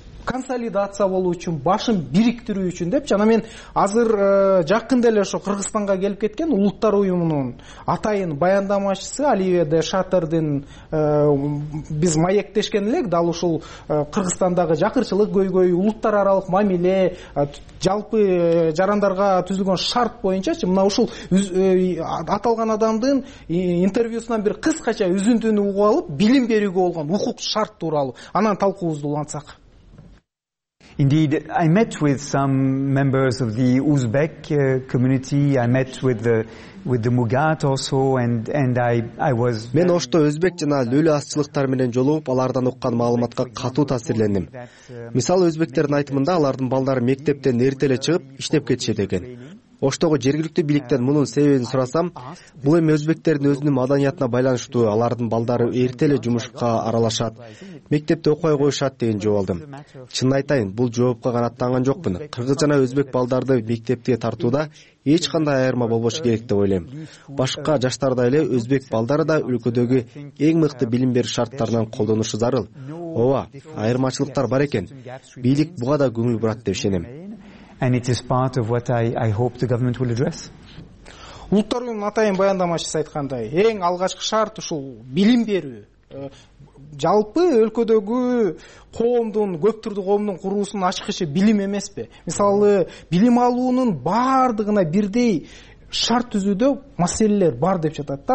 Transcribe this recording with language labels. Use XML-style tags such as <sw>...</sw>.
<ky>Консолидация болуу үчүн, башын бириктирүү үчүн депчи. Анан мен азыр жакында эле ошо Кыргызстанга келип кеткен улуттар уюмунун атайын баяндамачысы Оливье де Шатердин биз маектешкен элек дал ушул Кыргызстандагы жакырчылык көйгөйү, улуттар аралык мамиле, жалпы жарандарга түзүлгөн шарт боюнчачы. Мына ушул аталган адамдын интервьюсунан бир кыскача үзүндүнү угуп алып, билим берүүгө болгон укук шарт тууралуу анан талкуубузду улантсак.</ky> <en>Indeed, I met with some members of the Uzbek community. I met with the Mugat also, and I was.</en> <ky>Мен ошто өзбек жана лүлү азчылыктар менен жолугуп, алардан уккан маалыматка катуу таасирлендим. Мисалы, өзбектердин айтымында алардын балдары мектептен эрте эле чыгып иштеп кетишет экен. Оштогу жергиликтүү бийликтен мунун себебин сурасам, бул эми өзбектердин өзүнүн маданиятына байланыштуу, алардын балдары эрте эле жумушка аралашат, мектепте окубай коюшат деген жооп алдым. Чынын айтайын, бул жоопко канааттанган жокмун. Кыргыз жана өзбек балдарды мектепке тартууда эч кандай айырма болбошу керек деп ойлойм. Башка жаштардай эле өзбек балдары да өлкөдөгү эң мыкты билим берүү шарттарынан колдонушу зарыл. Ооба, айырмачылыктар бар экен. Бийлик буга да көңүл бурат деп ишенем.</ky> <en>And it is part of what I hope the government will address.</en> <ky>Улуттар уюмунун атайын баяндамачысы айткандай, эң алгачкы шарт ушул билим берүү. Жалпы өлкөдөгү коомдун, көп түрдүү коомдун куруусунун ачкычы билим эмеспи? Мисалы, билим алуунун баардыгына бирдей шарт түзүүдө маселелер бар деп жатат да.</ky>